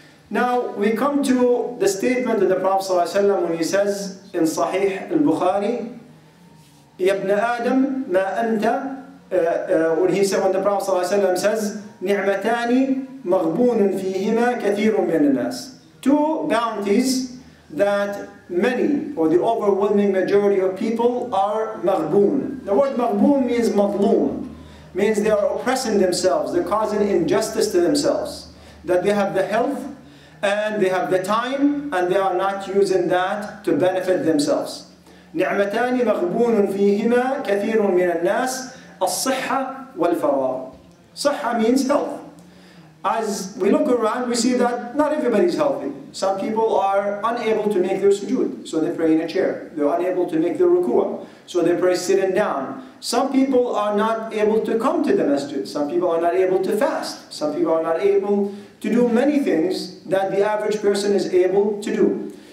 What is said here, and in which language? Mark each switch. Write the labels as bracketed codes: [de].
[en] Now we come to the statement of the Prophet ﷺ when he says in Sahih al-Bukhari, [ar] يَا ابْنَ آدَمْ مَا أَنْتَ [en] when he said, when the Prophet ﷺ says, [ar] نِعْمَتَانِ مَغْبُونٌ فِيهِمَا كَثِيرٌ مِنَ النَّاسِ [en] Two bounties that many, or the overwhelming majority of people, are مغبون. The word مغبون means مظلوم. Means they are oppressing themselves, they're causing injustice to themselves. That they have the health, and they have the time, and they are not using that to benefit themselves. [ar] نِعْمَتَانِ مَغْبُونٌ فِيهِمَا كَثِيرٌ مِنَ النَّاسِ الصِّحَّةُ وَالْفَرَارُ صِحَّة [en] means health. As we look around, we see that not everybody's healthy. Some people are unable to make their sujood, so they pray in a chair. They're unable to make their ruku'ah, so they pray sitting down. Some people are not able to come to the masjid. Some people are not able to fast. Some people are not able to do many things that the average person is able to do.